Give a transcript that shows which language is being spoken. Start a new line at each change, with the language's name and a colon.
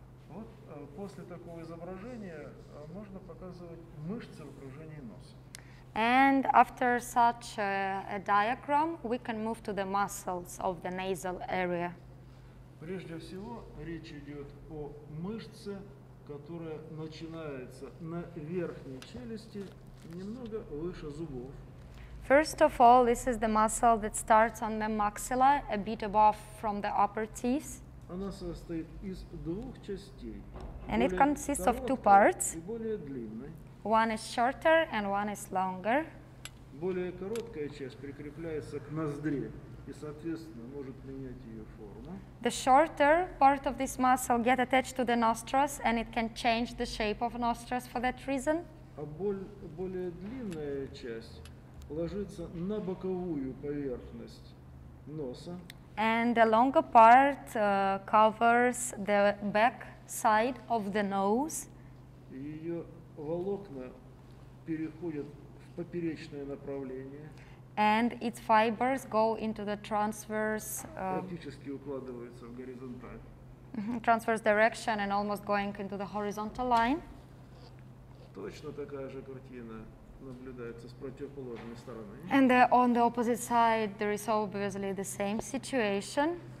Russian: Вот после такого изображения можно показывать мышцы в окружении носа.
English: And after such a diagram, we can move to the muscles of the nasal area.
Russian: Прежде всего, речь идет о мышце, которая начинается на верхней челюсти, немного выше зубов.
English: First of all, this is the muscle that starts on the maxilla, a bit above from the upper teeth.
Russian: Она состоит из двух частей.
English: And it consists of two parts.
Russian: И более длинной.
English: One is shorter and one is longer.
Russian: Более короткая часть прикрепляется к ноздре и, соответственно, может менять ее форму.
English: The shorter part of this muscle get attached to the nostrils and it can change the shape of nostrils for that reason.
Russian: А более длинная часть ложится на боковую поверхность носа.
English: And the longer part covers the back side of the nose.
Russian: Ее волокна переходят в поперечное направление.
English: And its fibers go into the transverse.
Russian: Практически укладывается в горизонталь.
English: Transverse direction and almost going into the horizontal line.
Russian: Точно такая же картина наблюдается с противоположной стороны.
English: And on the opposite side, there is obviously the same situation.